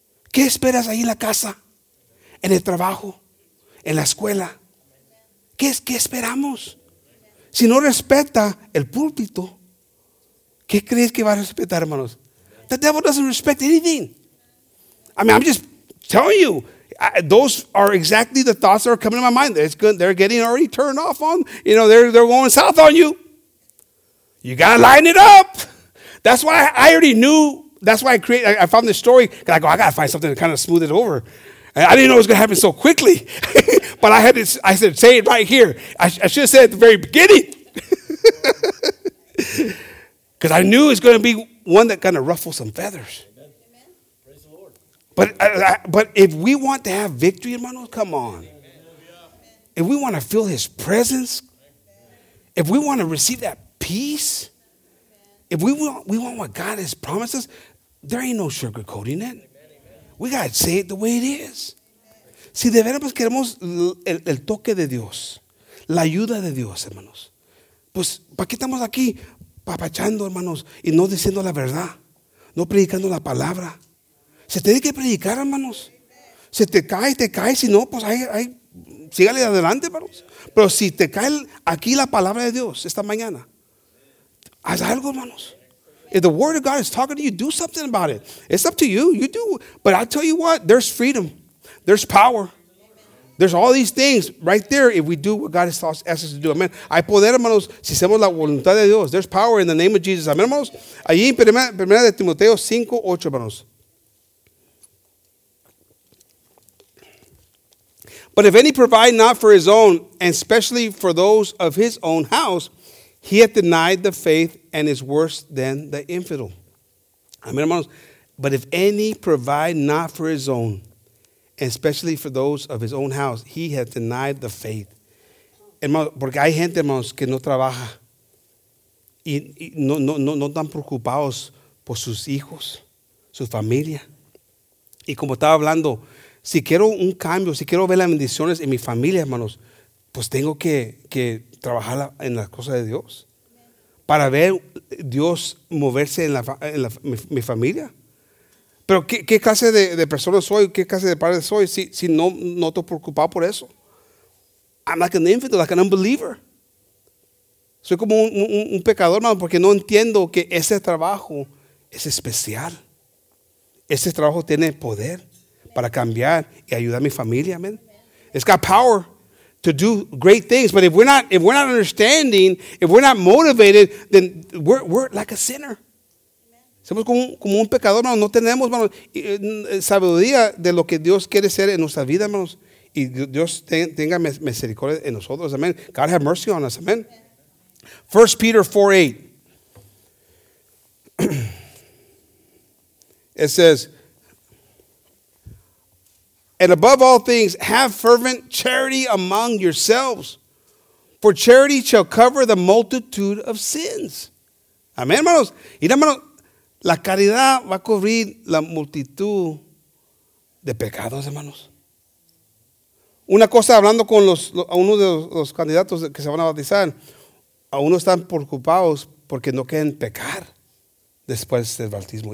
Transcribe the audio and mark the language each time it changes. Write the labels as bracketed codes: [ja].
[es] ¿Qué esperas ahí en la casa? En el trabajo. En la escuela. ¿Qué esperamos? Si no respeta el púlpito, ¿qué crees que va a respetar, hermanos? [en] The devil doesn't respect anything. I mean, I'm just telling you. Those are exactly the thoughts that are coming to my mind. It's good. They're getting already turned off on. You know, they're going south on you. You got to line it up. That's why I already knew. That's why I found this story. I go, I gotta find something to kind of smooth it over. And I didn't know it was gonna happen so quickly, but I had to. I said, say it right here. I should have said it at the very beginning, because I knew it's gonna be one that kind of ruffles some feathers. Amen. Praise the Lord. But if we want to have victory, hermano, come on. Amen. If we want to feel His presence, Amen. If we want to receive that peace. If we want what God has promised us, there ain't no sugarcoating it. Amen. We got to say it the way it is. Amen. [es] Si de veras queremos el toque de Dios, la ayuda de Dios, hermanos, pues, ¿para qué estamos aquí papachando, hermanos, y no diciendo la verdad, no predicando la palabra? Se tiene que predicar, hermanos. Se te cae, si no, pues, ahí, sígale adelante, hermanos. Pero si te cae aquí la palabra de Dios esta mañana, haz algo, hermanos. [en] If the word of God is talking to you, do something about it. It's up to you. You do. But I'll tell you what, there's freedom. There's power. There's all these things right there if we do what God has asked us to do. Amen. [es] Hay poder, hermanos, si hacemos la voluntad de Dios. [en] There's power in the name of Jesus. Amen, hermanos. [es] Allí en 1 Timoteo 5, 8, hermanos. [en] But if any provide not for his own, and especially for those of his own house, he hath denied the faith and is worse than the infidel. Amen, hermanos. But if any provide not for his own, and especially for those of his own house, he hath denied the faith. [es] Hermanos, porque hay gente, hermanos, que no trabaja y no están preocupados por sus hijos, su familia. Y como estaba hablando, si quiero un cambio, si quiero ver las bendiciones en mi familia, hermanos, pues tengo que trabajar en las cosas de Dios. Para ver Dios moverse en mi familia. Pero ¿qué clase de persona soy? ¿Qué clase de padre soy? Si no estoy preocupado por eso. [en] I'm like an infant, like an unbeliever. [es] Soy como un pecador, hermano, porque no entiendo que ese trabajo es especial. Ese trabajo tiene poder para cambiar y ayudar a mi familia. Amen. [en] It's got power to do great things, but if we're not understanding, if we're not motivated, then we're like a sinner. [es] Somos como un pecador, hermanos. No tenemos, hermanos, sabiduría de lo que Dios quiere ser en nuestra vida, hermanos. Y Dios tenga misericordia en nosotros. Amen. [en] God have mercy on us. [es] Amen. [en] 1 Peter 4:8. It says, and above all things, have fervent charity among yourselves, for charity shall cover the multitude of sins. [es] Amén, hermanos. Y hermanos, la caridad va a cubrir la multitud de pecados, hermanos. Una cosa, hablando con uno de los candidatos que se van a bautizar, a uno están preocupados porque no quieren pecar después del bautismo.